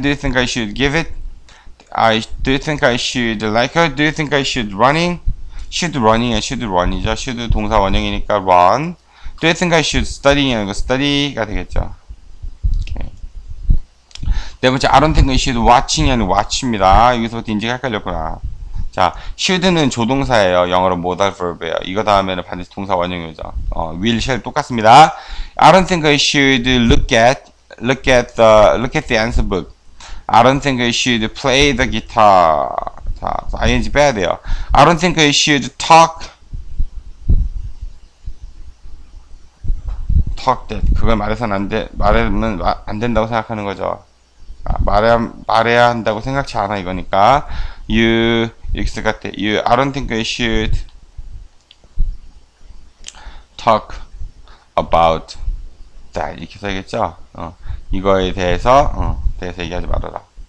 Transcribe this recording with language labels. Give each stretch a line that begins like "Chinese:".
English: Do you think I should give it? Do you think I should like her? Do you think I should running? Should running, should run이죠. Should
Korean: 동사 원형이니까
English: run. Do you think I should studying?
Korean: Study가 되겠죠. Okay.
English: 네 번째, I don't think I should watching.
Korean: Watch입니다. 여기서부터 인지가 헷갈렸구나. 자, should는 조동사예요. 영어로 modal verb예요. 이거 다음에는 반드시 동사 원형이죠. Will, shall 똑같습니다.
English: I don't think I should look at the answer book. I don't think I should play the guitar.
Korean: 자, ing 빼야 돼요.
English: I don't think I should talk that.
Korean: 그걸 말해서는 안 돼. 말하면 안 된다고 생각하는 거죠. 말해야 한다고 생각치 않아 이거니까. You 이렇게 쓸 것 같아.
English: You I don't think I should talk about that.
Korean: 이렇게 써야겠죠. 이거에 대해서 대해서 얘기하지 말아라.